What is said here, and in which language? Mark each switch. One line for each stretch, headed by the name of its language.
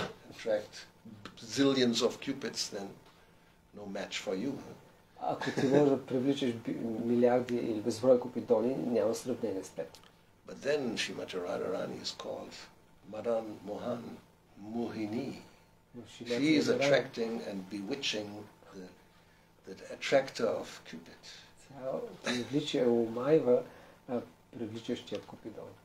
English: attract zillions of cupids, then no match for you.
Bulgarian: Ако ти можеш да привличаш милиарди или безброй купидони, няма сравнение с теб.
English: But then Shrimati Radharani is called Madan Mohan Mohini. She is attracting and bewitching the attractor of Cupid.
Bulgarian: Привличие умайва привличащия купидон.